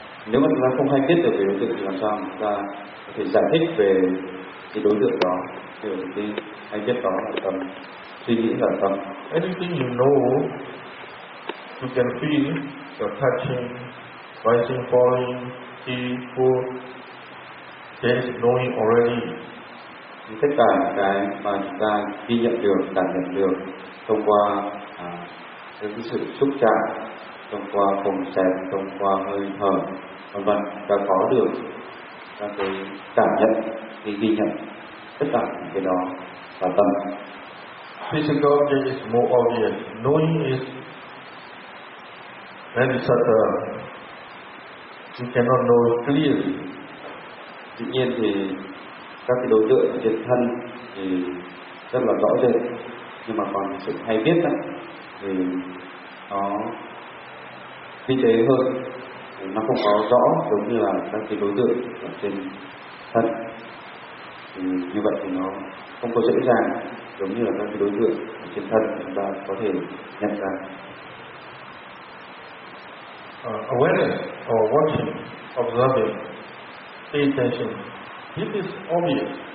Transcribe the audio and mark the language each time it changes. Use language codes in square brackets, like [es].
[vi] Nếu mà chúng ta không hay biết được cái đối tượng thì làm sao chúng ta có thể giải thích về cái đối tượng đó, thì cái hay biết đó là tâm, suy nghĩ là tâm. [en] Anything you know, you can feel your touching, rising, falling, see, feel, there is knowing already. [vi] Thì tất cả cái mà chúng ta ghi nhận được, cảm nhận được thông qua cái sự xúc chạm, thông qua cùng xem, thông qua hơi thở, vân vân, đã có được các cái cảm nhận, cái ghi nhận, tất cả những cái đó là tâm. [en] Physical object is more obvious, knowing is very subtle. You cannot know it clearly. [vi] Tự nhiên thì các cái đối tượng trên thân thì rất là rõ rệt, nhưng mà còn sự hay biết đó, thì nó vi tế hơn, nó không có rõ giống như là các cái đối tượng ở trên thân, thì như vậy thì nó không có dễ dàng giống như là các cái đối tượng ở trên thân chúng ta có thể nhận ra. [en] Awareness or watching, observing, pay attention. This is obvious.